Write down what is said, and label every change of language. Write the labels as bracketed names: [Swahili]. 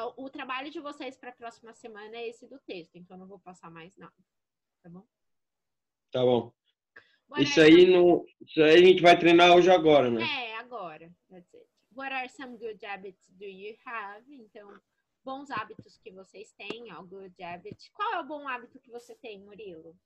[Portuguese] O trabalho de vocês pra próxima semana é esse do texto, então eu não vou passar mais nada. Tá bom? Tá bom. Isso aí a gente vai treinar hoje agora, né? É, agora. [English] That's it. What are some good habits do you have? [Portuguese] Então... Bons hábitos que vocês têm, ó, good habit. Qual é o bom hábito que você tem, Murilo?